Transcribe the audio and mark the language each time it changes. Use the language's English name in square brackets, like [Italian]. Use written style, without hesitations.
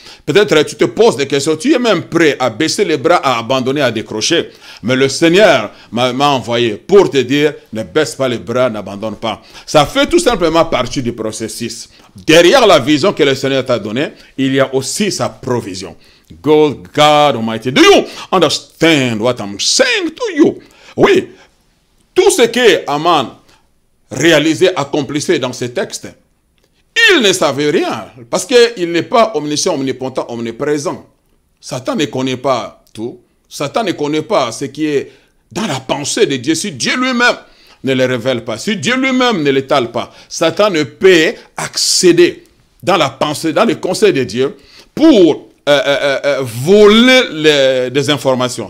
[French] Peut-être tu te poses des questions, tu es même prêt à baisser les bras, à abandonner, à décrocher. Mais le Seigneur m'a envoyé pour te dire, ne baisse pas les bras, n'abandonne pas. Ça fait tout simplement partie du processus. Derrière la vision que le Seigneur t'a donnée, il y a aussi sa provision. [English] God, God Almighty, do you understand what I'm saying to you? [French] Oui, tout ce que Aman réalisait, accomplissait dans ses textes, il ne savait rien parce qu'il n'est pas omniscient, omnipotent, omniprésent. Satan ne connaît pas tout. Satan ne connaît pas ce qui est dans la pensée de Dieu. Si Dieu lui-même ne le révèle pas, si Dieu lui-même ne l'étale pas, Satan ne peut accéder dans la pensée, dans le conseil de Dieu pour voler des informations.